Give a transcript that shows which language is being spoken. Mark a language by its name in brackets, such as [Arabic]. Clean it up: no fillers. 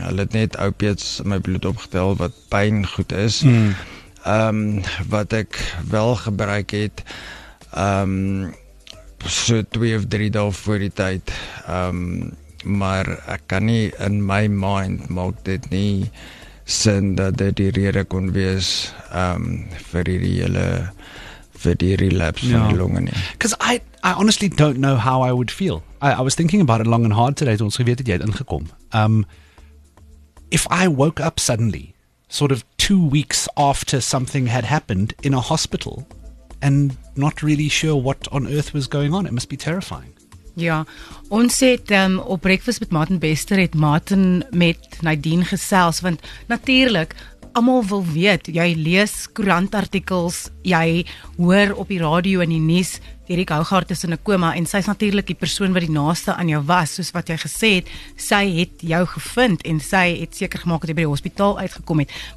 [Afrikaans] Hulle het net opiates in my bloed opgetel, wat pyn goed is. Wat ek wel gebruik het, so 2 of 3 dae voor die tyd, maar ek kan nie, [English] in my mind [Afrikaans] maak dit nie sin dat dit die rede kon wees vir die relapse van die longe nie. [English] Because I honestly don't know how I would feel. I was thinking about it long and hard today, [Afrikaans] ons geweet het jy het ingekom. [English] If I woke up suddenly, sort of 2 weeks after something had happened in a hospital, and not really sure what on earth was going on, it must be terrifying. [Afrikaans] Ja, ons het op Breakfast met Martin Bester, het Martin met Nadine gesels, want natuurlijk, almal wil weet, jy lees koerantartikels, jy hoor op die radio en die nuus, Derek Hougaard is in 'n koma en sy is natuurlik die persoon wat die naaste aan jou was, soos wat jy gesê het, sy het jou gevind en sy het seker gemaak dat jy by die hospitaal uitgekom het.